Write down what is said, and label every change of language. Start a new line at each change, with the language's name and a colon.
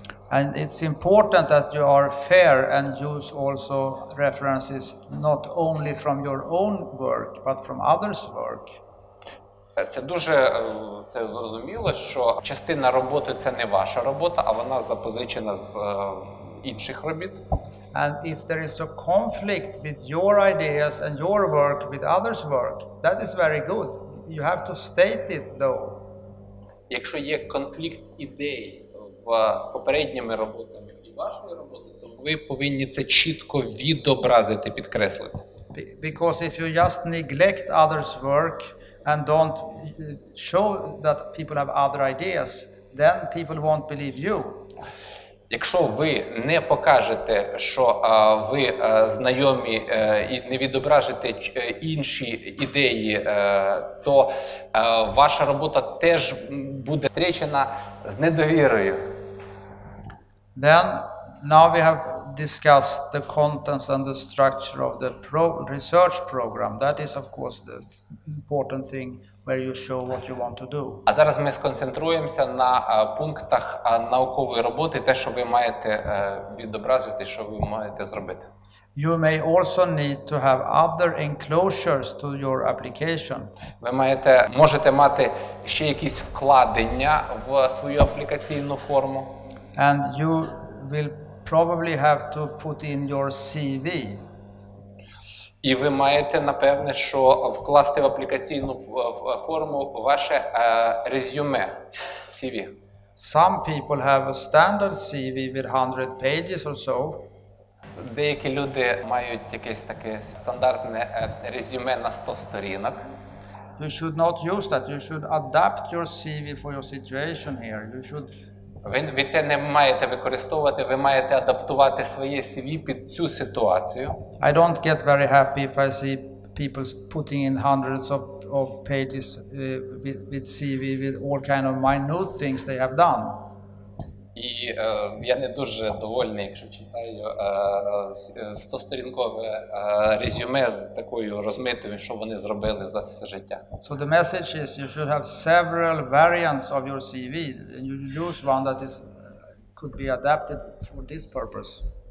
English: And it's important that you are fair and use also references not only from your own work, but from others' work.
Ukrainian: Це дуже це зрозуміло, що частина роботи – це не ваша робота, а вона запозичена з інших робіт.
English: And if there is a conflict with your ideas and your work with others' work, that is very good. You have to state it, though.
Ukrainian: Якщо є конфлікт ідей з попередніми роботами і вашою роботою, то ви повинні це чітко відобразити, підкреслити.
English: Because if you just neglect others' work and don't show that people have other ideas, then people won't believe you.
Ukrainian: Якщо ви не покажете, що ви знайомі і не відображите інші ідеї, то ваша робота теж буде зустрічена з недовірою.
English: Then, now we have discussed the contents and the structure of the research program. That is, of course, the important thing where you show what you want to do.
Ukrainian: А зараз ми сконцентруємося на пунктах наукової роботи, те, що ви маєте відобразити, що ви маєте зробити.
English: You may also need to have other enclosures to your application.
Ukrainian: Ви маєте, можете мати ще якісь вкладення в свою аплікаційну форму.
English: And you will probably have to put in your CV.
Ukrainian: І ви маєте, напевне, що вкласти в аплікаційну форму ваше резюме, CV.
English: Some people have a standard CV with 100 pages or so.
Ukrainian: Деякі люди мають якесь таке стандартне резюме на 100 сторінок.
English: You should not use that. You should adapt your CV for your situation here. You should...
Ukrainian: Ви те не маєте використовувати, ви маєте адаптувати своє CV під цю ситуацію.
English: I don't get very happy if I see people putting in hundreds of pages with CV with all kind of minute things they have done.
Ukrainian: І я не дуже довольний, якщо читаю 100-сторінкове резюме з такою розмитою, що вони зробили за все життя.
English: So the message is you should have several variants of your CV and you use one that is could be adapted for this purpose.